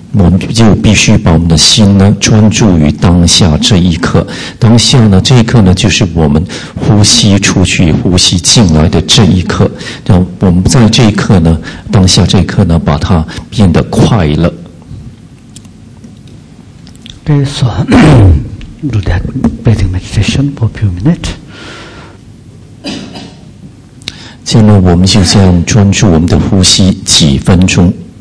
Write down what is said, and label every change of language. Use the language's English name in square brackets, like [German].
[Chinese] 我们就必须把我们的心呢专注于当下这一刻。当下呢这一刻呢就是我们呼吸出去呼吸进来的这一刻，我们在这一刻呢当下这一刻呢把它变得快乐。 [English] Okay, so do that breathing meditation for a few minutes. [Chinese] 现在我们就这样专注我们的呼吸几分钟。